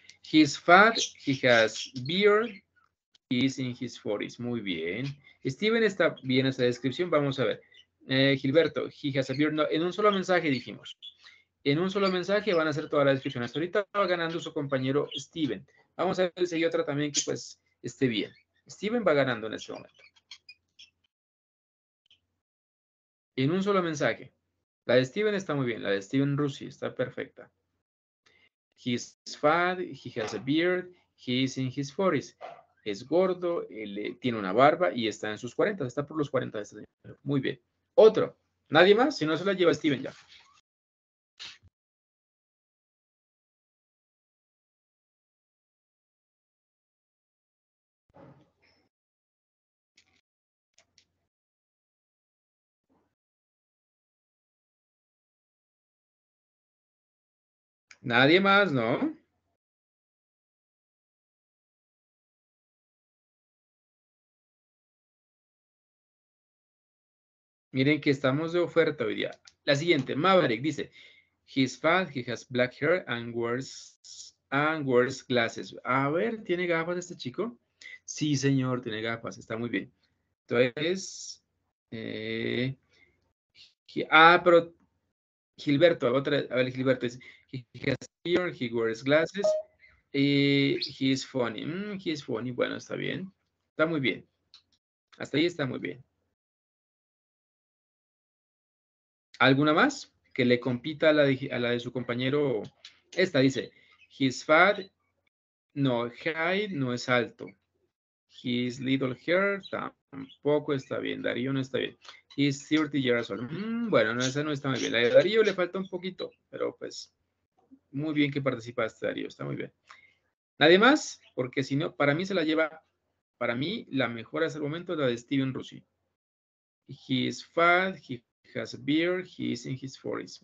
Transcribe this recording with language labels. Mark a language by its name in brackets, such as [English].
[English] He's fat, he has beard, he's in his 40s. [Spanish] Muy bien. Steven, está bien esa descripción. Vamos a ver. Gilberto, [English] he has a beard. [Spanish] No, en un solo mensaje dijimos. En un solo mensaje van a hacer todas las descripciones. Ahorita va ganando su compañero Steven. Vamos a ver si hay otra también que pues esté bien. Steven va ganando en este momento. En un solo mensaje. La de Steven está muy bien. La de Steven Rusi está perfecta. [English] He's fat, he has a beard, he is in his 40s. [Spanish] Es gordo, él tiene una barba y está en sus 40, está por los 40 de este año. Muy bien. Otro. ¿Nadie más? Si no, se la lleva Steven ya. Nadie más, ¿no? Miren que estamos de oferta hoy día. La siguiente, [English] Maverick dice, he's fat, he has black hair and wears glasses. [Spanish] A ver, ¿tiene gafas este chico? Sí, señor, tiene gafas, está muy bien. Entonces, pero Gilberto, a ver, Gilberto dice, [English] he has hair, he wears glasses, he's funny. He's funny, [Spanish] bueno, está bien. Está muy bien. Hasta ahí está muy bien. ¿Alguna más que le compita a la de su compañero? Esta dice, [English] he's fat, no high, [Spanish] no es alto. [English] His little hair, [Spanish] tampoco está bien. Darío no está bien. [English] He's 30 years old. [Spanish] Bueno, no, esa no está muy bien. A Darío le falta un poquito, pero pues muy bien que participaste, Darío. Está muy bien. ¿Nadie más? Porque si no, para mí se la lleva, para mí la mejor hasta el momento es la de Steven Rusi. [English] He's fat, he has a beard, he is in his 40s.